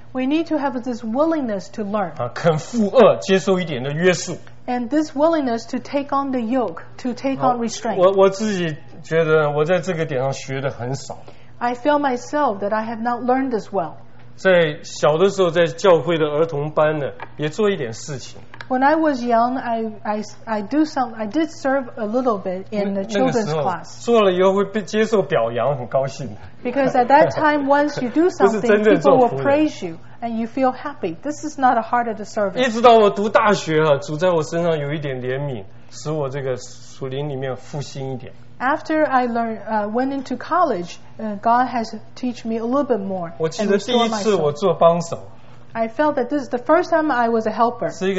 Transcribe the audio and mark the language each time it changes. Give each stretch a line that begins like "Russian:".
English: We need to have this willingness to learn.
Chinese: 肯负轭，接受一点的约束。
English: And this willingness to take on the yoke, to take on restraint.
Chinese: 我自己觉得我在这个点上学的很少。
English: I feel myself that I have not learned this well.
Chinese: 在小的时候，在教会的儿童班呢，也做一点事情。
English: When I was young, I did serve a little bit in the children's class.
Chinese: 做了以后会被接受表扬，很高兴。
English: Because at that time, once you do something, people will praise you and you feel happy. This is not a heart of the service.
Chinese: 一直到我读大学，主在我身上有一点怜悯，使我这个属灵里面复兴一点。
English: After I learned, went into college, God has taught me a little bit more.
Chinese: 我记得第一次我做帮手。
English: I felt that this is the first time I was a helper.